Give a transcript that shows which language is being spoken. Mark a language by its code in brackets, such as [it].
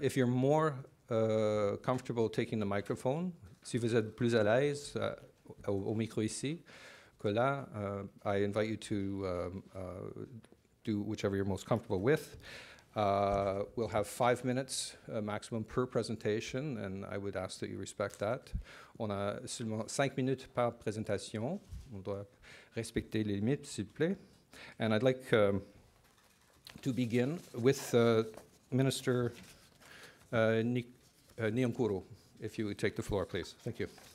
[en] If you're more comfortable taking the microphone, [fr] si vous êtes plus à l'aise au micro ici, que là, [en] I invite you to do whichever you're most comfortable with. We'll have 5 minutes maximum per presentation, and I would ask that you respect that. [fr] On a seulement 5 minutes par présentation. On doit respecter les limites, s'il vous plaît. [en] And I'd like to begin with Minister Niyonkuru, if you would take the floor, please. Thank you.